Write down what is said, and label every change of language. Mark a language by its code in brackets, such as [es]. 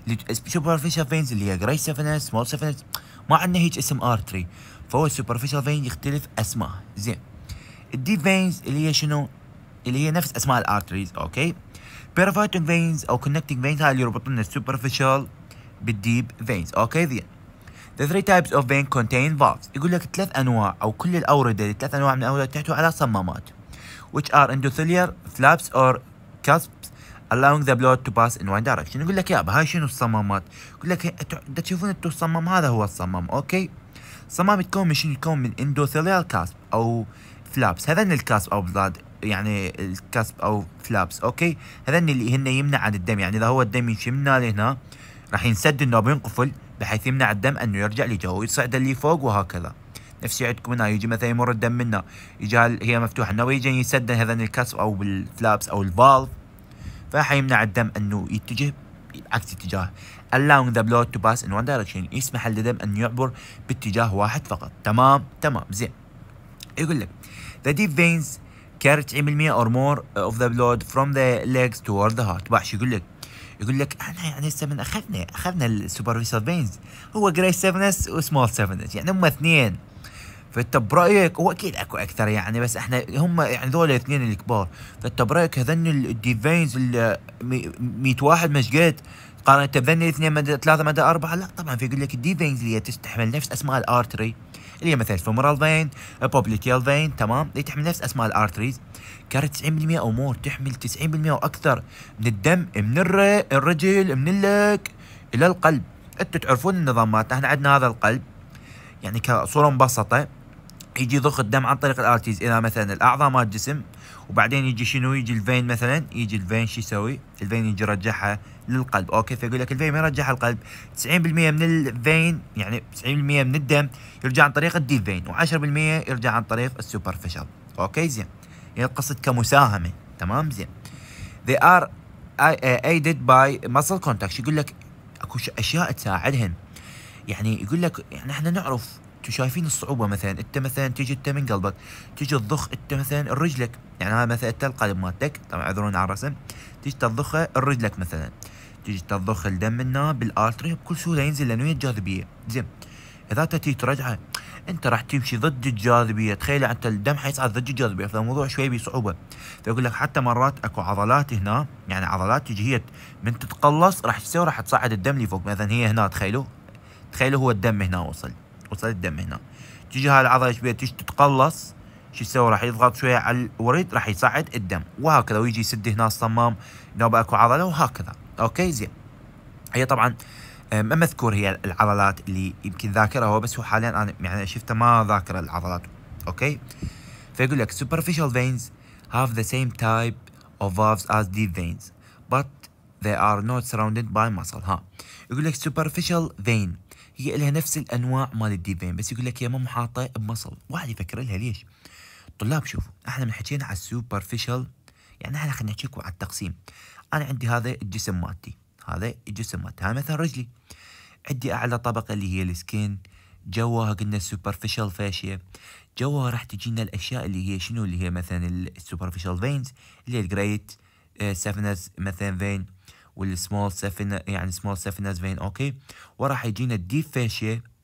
[ar] السوبرفيشال فينز اللي هي جراي سيفنس، سمول سيفنس، ما عندنا هيك اسم ارتري، فهو السوبرفيشال فين يختلف اسماء. زين، الديب فينز اللي هي شنو، اللي هي نفس اسماء الارتريز. اوكي، بيرفوريتنج فينز او كونكتنج فينز هاي اللي يربطون السوبرفيشال بالديب فينز. اوكي، زين، [en] the three types of vein contain valves. [ar] يقول لك ثلاث انواع او كل الاورده، ثلاث انواع من الاورده تحتوي على صمامات، [en] which are endothelial flaps or cusps allowing the blood to pass in one direction. [ar] يقول لك يا بهاي شنو الصمامات؟ يقول لك ده تشوفون انتو الصمام، هذا هو الصمام. اوكي، صمام يتكون من شنو؟ يتكون من endothelial cusp او flaps، هذن الكاسب او بلاد، يعني الكاسب او flaps. اوكي، هذن اللي هن يمنع عن الدم، يعني اذا هو الدم يمشي من هنا راح ينسد انه بينقفل، بحيث يمنع الدم انه يرجع لجوه ويصعد اللي فوق وهكذا. نفس عندكم هنا يجي مثلا يمر الدم منا، يجي هي مفتوحه انه يجي يسد هذا الكسب او بالفلابس او الفالف، فحيمنع الدم انه يتجه عكس اتجاه، [en] allowing the blood to pass in one direction، [ar] يسمح للدم ان يعبر باتجاه واحد فقط. تمام تمام. زين، يقول لك [en] the deep veins carry 90% or more of the blood from the legs toward the heart. [ar] باش يقول لك، يقول لك احنا يعني هسه من اخذنا السوبرفيشال فينز، هو جراي سيفنس وسمول سيفنس، يعني هم اثنين. فانت برايك، هو اكيد اكو اكثر يعني، بس احنا هم يعني ذول الاثنين الكبار. فانت برايك هذن الدي فينز 100 واحد مش قد قارنت بذن الاثنين مدى 3 مدى 4؟ لا طبعا، في يقول لك الدي فينز اللي هي تستحمل نفس اسماء الارتري، اللي هي مثلا فومورال فين، بوبليتيال فين، تمام، اللي تحمل نفس اسماء الارتريز، كانت 90% او مور، تحمل 90% واكثر من الدم من الرجل من اللك الى القلب. انتوا تعرفون النظامات، احنا عندنا هذا القلب يعني كصوره مبسطه، يجي ضخ الدم عن طريق الارتريز الى مثلا الاعضاء مال الجسم، وبعدين يجي شنو، يجي الفين مثلا، يجي الفين شو يسوي؟ الفين يجي يرجعها للقلب. اوكي، فيقول لك الفين ما يرجعها للقلب، 90% من الفين يعني 90% من الدم يرجع عن طريق الديب فين، و10% يرجع عن طريق السوبرفيشال. اوكي، زين، هي القصد كمساهمة. تمام، زين، [en] they are aided by muscle contact. [ar] يقول لك اكو اشياء تساعدهم، يعني يقول لك يعني احنا نعرف تشايفين الصعوبة، مثلا انت مثلا تيجي انت من قلبك، تيجي تضخ انت مثلا رجلك، يعني هذا مثلا انت القلب مالتك، طبعا عذرونا على الرسم، تيجي تضخ رجلك مثلا، تيجي تضخ الدم منا بالارتري بكل سهولة ينزل لانه هي الجاذبية. زين، اذا تتي ترجعه انت راح تمشي ضد الجاذبيه، تخيل انت الدم حيصعد ضد الجاذبيه، فالموضوع شوي بصعوبه. فيقول لك حتى مرات اكو عضلات هنا، يعني عضلات تجي من تتقلص راح تسوي، راح تصعد الدم لفوق، مثلا هي هنا، تخيلوا هو الدم هنا وصل الدم هنا، تجي هاي العضله شوي تجي تتقلص، شو يسوي؟ راح يضغط شويه على الوريد راح يصعد الدم وهكذا، ويجي يسد هنا الصمام لو اكو عضله وهكذا. اوكي، زين، هي طبعا ما مذكور هي العضلات اللي يمكن ذاكرها هو، بس هو حاليا انا يعني شفته ما ذاكر العضلات. اوكي، فيقول لك [en] superficial veins have the same type of valves as deep veins but they are not surrounded by muscle. [ar] ها، يقول لك superficial vein هي لها نفس الانواع مال الديب فين، بس يقول لك هي ما محاطه بمصل. واحد يفكر لها ليش؟ طلاب شوفوا، احنا من حكينا على superficial، يعني احنا خلينا نحكيكم على التقسيم. انا عندي هذا الجسم مالتي، هذا الجسم مالتي، هاي مثلا رجلي، عندي اعلى طبقه اللي هي السكين، جواها قلنا السوبرفيشال فاشيا، جواها راح تجينا الاشياء اللي هي شنو، اللي هي مثلا السوبرفيشال فينز اللي هي الجريت سيفنس مثلا فين والسمول سيفنس، يعني سمول سيفنس فين. اوكي، وراح يجينا الديب فاشيا،